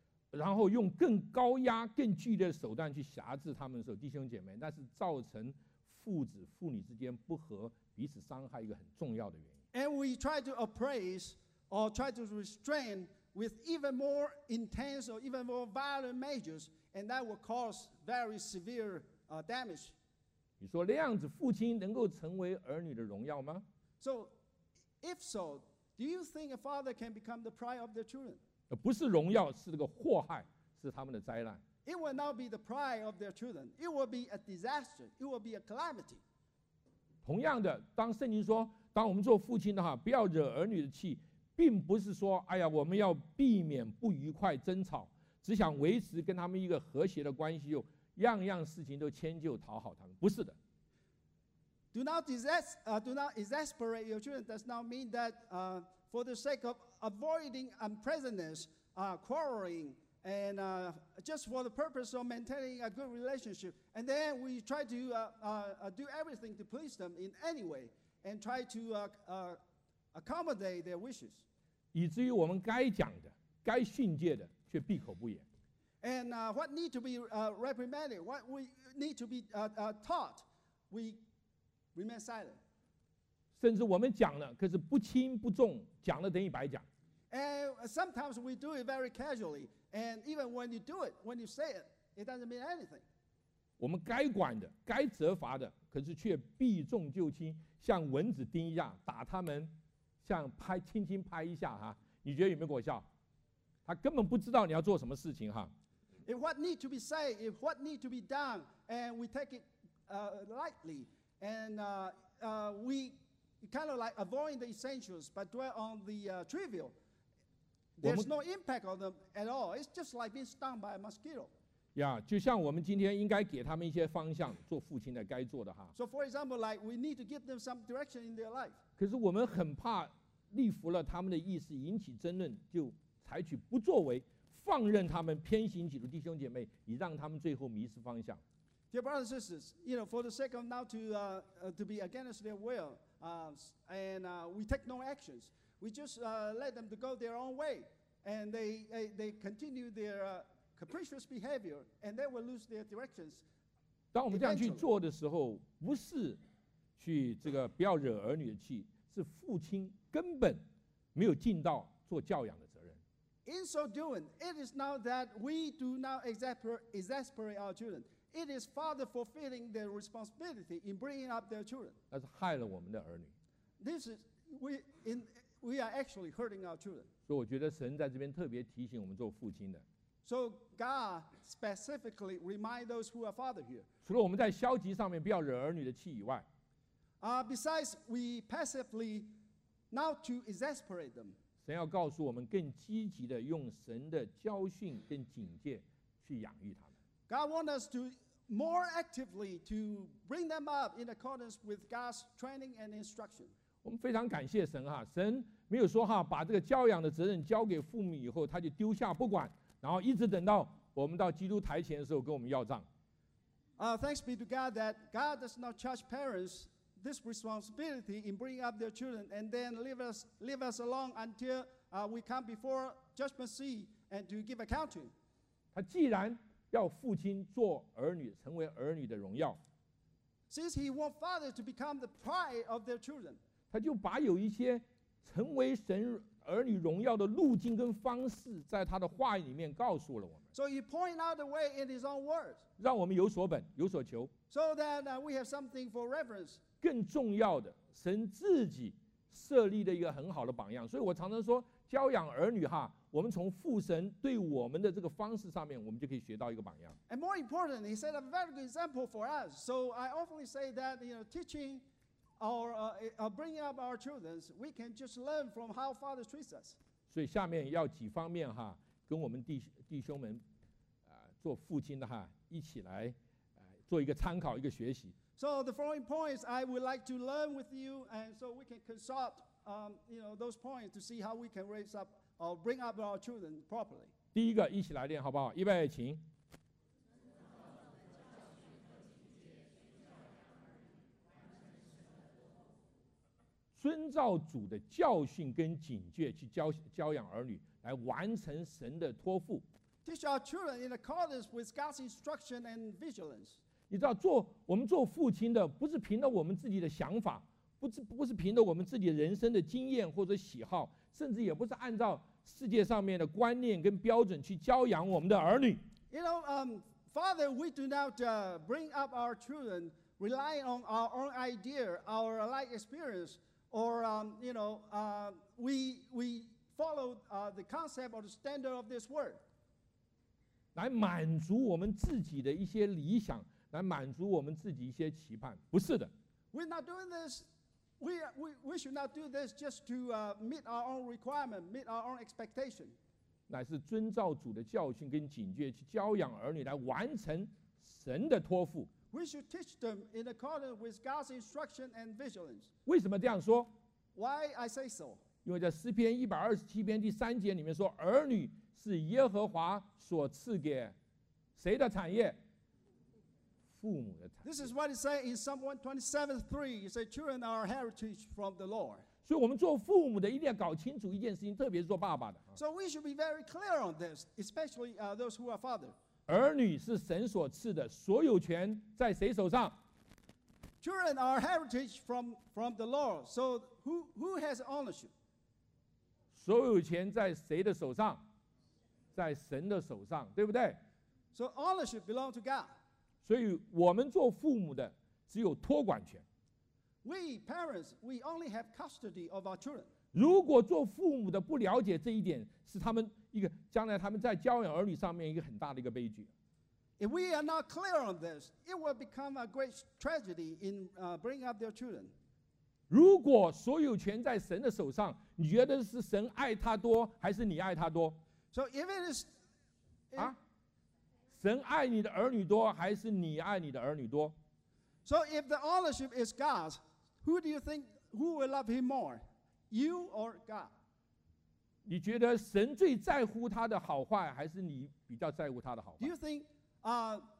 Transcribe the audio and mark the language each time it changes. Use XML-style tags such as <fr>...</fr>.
<zh>然后用更高压、更剧烈的手段去辖制他们的时候，弟兄姐妹，那是造成父子、父女之间不和、彼此伤害一个很重要的原因。</zh> <en>And we try to appraise or try to restrain with even more intense or even more violent measures, and that will cause very severe damage.</en> <zh>你说那样子，父亲能够成为儿女的荣耀吗</zh> <en>？So, if so, do you think a father can become the pride of their children?</en> <zh>不是荣耀，是这个祸害，是他们的灾难。</zh> <en>It will not be the pride of their children. It will be a disaster. It will be a calamity.</en> <zh>同样的，当圣经说，当我们做父亲的哈，不要惹儿女的气，并不是说，哎呀，我们要避免不愉快争吵，只想维持跟他们一个和谐的关系，就样样事情都迁就讨好他们，不是的。</zh> <en>Do not exasperate your children. Does not mean that for the sake of avoiding unpleasantness, quarreling, and just for the purpose of maintaining a good relationship. And then we try to do everything to please them in any way and try to accommodate their wishes.</en> <zh>以至于我们该讲的、该训诫的，却闭口不言。</zh> <en>And what need to be reprimanded, what we need to be taught, we remain silent.</en> <zh>甚至我们讲了，可是不轻不重，讲了等于白讲。</zh> <en>And sometimes we do it very casually, and even when you do it, when you say it, it doesn't mean anything.</en> <zh>我们该管的、该责罚的，可是却避重就轻，像蚊子叮一样打他们，像拍轻轻拍一下哈，你觉得有没有果效？他根本不知道你要做什么事情哈。</zh> <en>If what need to be said, if what need to be done, and we take it lightly. And we kind of like avoid the essentials, but dwell on the trivial. There's no impact on them at all. It's just like being stung by a mosquito.</en> <zh>Yeah, 就像我们今天应该给他们一些方向，做父亲的该做的哈。</zh> <en>So for example, like we need to give them some direction in their life.</en> <zh>可是我们很怕逆服了他们的意思，引起争论，就采取不作为，放任他们偏行己路，弟兄姐妹，以让他们最后迷失方向。</zh> <en>Dear brothers and sisters, you know, for the sake of now to be against their will, we take no actions. We just let them to go their own way, and they continue their capricious behavior, and they will lose their directions.</en> <zh>当我们这样去做的时候，不是去这个不要惹儿女的气，是父亲根本没有尽到做教养的责任。</zh> <en>In so doing, it is now that we do not exasperate our children. It is father fulfilling their responsibility in bringing up their children.</en> <zh>那是害了我们的儿女。</zh> <en>This is we are actually hurting our children.</en> <zh>所以我觉得神在这边特别提醒我们做父亲的。</zh> <en>So God specifically remind those who are father here.</en> <zh>除了我们在消极上面不要惹儿女的气以外</zh> <en>besides we passively not to exasperate them.</en> <zh>神要告诉我们更积极的用神的教训跟警戒去养育他们。</zh> <en>God wants us to more actively to bring them up in accordance with God's training and instruction.</en> <zh>我们非常感谢神哈，神没有说哈，把这个教养的责任交给父母以后，他就丢下不管，然后一直等到我们到基督台前的时候跟我们要账。</zh> <en>Thanks be to God that God does not charge parents this responsibility in bringing up their children and then leave us alone until we come before judgment seat and to give account to.</en> <zh>他既然要父亲做儿女，成为儿女的荣耀。</zh> <en>Since he want father to become the pride of their children,</en> <zh>他就把有一些成为神儿女荣耀的路径跟方式，在他的话语里面告诉了我们。</zh> <en>So he point out the way in his own words,</en> <zh>让我们有所本，有所求。</zh> <en>So that we have something for reverence.</en> <zh>更重要的，神自己设立的一个很好的榜样。所以我常常说，教养儿女哈。我们从父神对我们的这个方式上面，我们就可以学到一个榜样。</zh> <en>And more important, he set a very good example for us. So I often say that you know, teaching or bringing up our children, we can just learn from how father treats us.</en> <zh>所以下面要几方面哈，跟我们弟兄们，做父亲的哈，一起来，做一个参考，一个学习。</zh> <en>So the following points I would like to learn with you, and so we can consult, you know, those points to see how we can raise up. I'll bring up our children properly.</en> <zh>第一个，一起来练好不好？预备，请。遵照主的教训跟警戒去教养儿女，来完成神的托付。</zh> <en>Teach our children in accordance with God's instruction and vigilance.</en> <zh>你知道，我们做父亲的，不是凭着我们自己的想法，不是凭着我们自己人生的经验或者喜好，甚至也不是按照。世界上面的观念跟标准去教养我们的儿女。</zh> <en>You know, Father, we do not bring up our children relying on our own idea, our life experience, or you know, we follow the concept or the standard of this word.</en> <zh>来满足我们自己的一些理想，来满足我们自己一些期盼，不是的。</zh> <en>We're not doing this. We should not do this just to meet our own requirement, meet our own expectation.</en> <zh>乃是遵照主的教训跟警戒去教养儿女，来完成神的托付。</zh> <en>We should teach them in accordance with God's instruction and vigilance.</en> <zh>为什么这样说</zh> <en>？Why I say so?</en> <zh>因为在诗篇一百二十七篇第三节里面说，儿女是耶和华所赐给谁的产业？父母的产业。</zh> <en>This is what it says in Psalm 127:3. It says, "Children are our heritage from the Lord."</en> <zh>所以，我们做父母的一定要搞清楚一件事情，特别是做爸爸的。</zh> <en>So we should be very clear on this, especially those who are fathers.</en> <zh>儿女是神所赐的，所有权在谁手上</zh> <en>？Children are heritage from the Lord. So who has ownership?</en> <zh>所有权在谁的手上？在神的手上，对不对</zh> <en>？So ownership belongs to God.</en> <zh>所以我们做父母的只有托管权。</zh> <en>We parents, we only have custody of our children.</en> <zh>如果做父母的不了解这一点，是他们。一个将来他们在教养儿女上面一个很大的一个悲剧。</zh> <en>If we are not clear on this, it will become a great tragedy in bringing up their children.</en> <zh>如果所有权在神的手上，你觉得是神爱他多，还是你爱他多</zh> <en>？So if it is,</en> <zh>啊，神爱你的儿女多，还是你爱你的儿女多</zh> <en>？So if the ownership is God's, who do you think who will love him more, you or God?</en> <zh>你觉得神最在乎他的好坏，还是你比较在乎他的好坏</zh>